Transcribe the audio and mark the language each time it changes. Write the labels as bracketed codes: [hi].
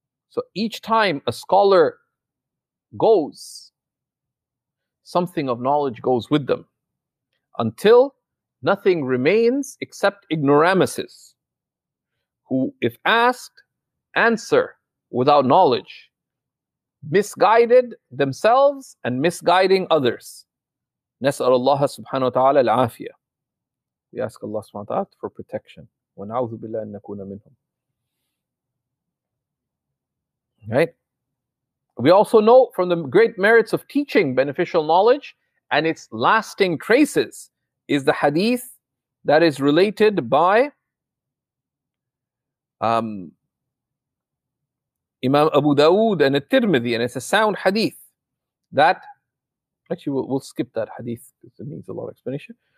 [en] So each time a scholar goes, something of knowledge goes with them, until nothing remains except ignoramuses, who, if asked, answer without knowledge, misguided themselves and misguiding others. [ar] نسأل الله سبحانه وتعالى العافية. [en] We ask Allah subhanahu wa ta'ala for protection. [ar] ونعوذ بالله أن نكون منهم. [en] Right? We also know from the great merits of teaching beneficial knowledge and its lasting traces is the hadith that is related by Imam Abu Dawood and At-Tirmidhi, and it's a sound hadith that, actually we'll skip that hadith because it needs a lot of explanation.